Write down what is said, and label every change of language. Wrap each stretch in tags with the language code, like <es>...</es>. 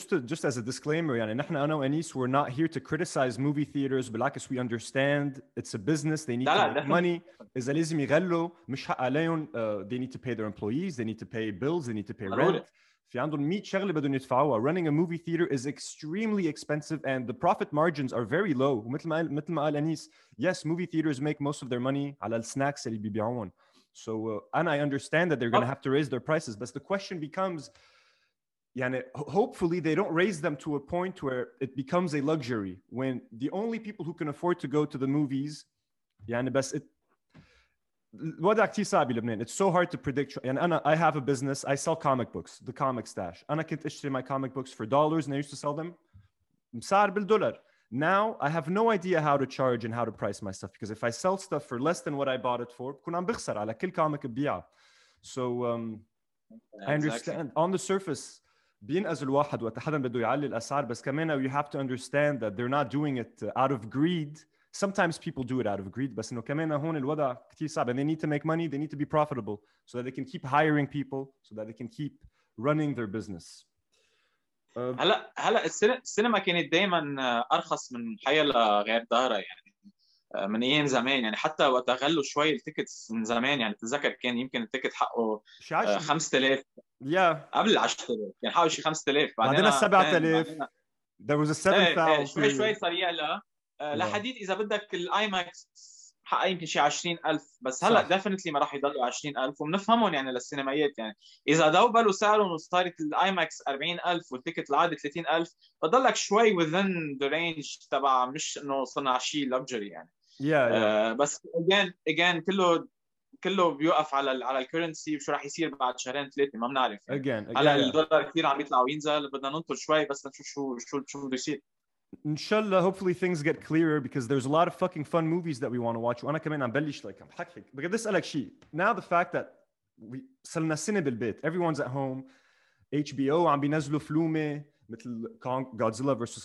<en>Just as a disclaimer,</en> <ar>يعني نحن أنا وأنيس,</ar> <en>we're not here to criticize movie theaters. بالعكس, we understand it's a business. They need</en> <ar>لا</ar> <en>to make</en> <ar>دخل.</ar> <en>money.</en> <ar>إذا لازم يغلوا, مش حق عليهم.</ar> <en>They need to pay their employees. They need to pay bills. They need to pay rent.</en> <ar>في عندهم 100 شغلة بدهم يدفعوها.</ar> <en>Running a movie theater is extremely expensive and the profit margins are very low.</en> <ar>ومثل ما قال أنيس,</ar> <en>yes, movie theaters make most of their money</en> <ar>على السناكس اللي بيبيعوهم.</ar> <en>So, and I understand that they're going to have to raise their prices. But the question becomes, يعني hopefully they don't raise them to a point where it becomes a luxury when the only people who can afford to go to the movies, يعني بس it,</en> <ar>الوضع كتير صعب بلبنان.</ar> <en>It's so hard to predict. يعني أنا, I have a business. I sell comic books, the comic stash.</en> <ar>أنا كنت اشتري</ar> <en>my comic books for dollars and I used to sell them</en> <ar>بسعر بالدولار.</ar> <en>Now I have no idea how to charge and how to price my stuff because if I sell stuff for less than what I bought it for,</en> <ar>كنت عم بخسر على كل comic ببيعه.</ar> <en>So I understand on the surface,</en> <ar>بين أزل واحد وتحدا بدو يعلي الأسعار, بس كمان</ar> <en>you have to understand that they're not doing it out of greed. Sometimes people do it out of greed,</en> <ar>بس إنه كمان هون الوضع كتير صعب,</ar> <en>and they need to make money, they need to be profitable so that they can keep hiring people, so that they can keep running their business.</en> <ar>هلا السينما كانت دائما أرخص من حياة غير دارة, يعني من أيام زمان, يعني حتى وقت غلوا شوي التيكت من زمان, يعني تذكر كان يمكن التيكت حقه 5000</ar> <en>Yeah.</en> <ar>قبل 10,000 كان حاول شي 5,000</ar> <en>بعدين 7,000 There was a 7,000</en> <ar>شوي شوي صار يعلى لحديد إذا بدك الآيماكس حقه يمكن شي 20,000 بس هلا ديفينتلي ما راح يضلوا 20,000 وبنفهمهم يعني للسينمائيات يعني إذا دوبلوا سعرهم وصارت الآيماكس 40,000 والتيكت العادي 30,000 بضلك شوي</ar> <en>within the range</en> <ar>تبع مش إنه صنع شي لوكجري يعني</ar> <en>Yeah.</en> <ar>بس again كله بيوقف على الكرنسي وشو راح يصير بعد شهرين ثلاثة ما بنعرف يعني.</ar> <en>Again.</en> <ar>على الدولار كثير عم يطلع وينزل بدنا ننطر شوي بس نشوف شو بده يصير</ar> <en>Inshallah, hopefully things get clearer because there's a lot of fucking fun movies that we want to watch.</en> <ar>وأنا كمان عم بلش like I'm حكيك بقى this ألك شيء now the fact that we صرنا سنة بالبيت</ar> <en>everyone's at home</en> <ar>HBO عم بينزلوا فلومي مثل Kong, Godzilla vs.</ar>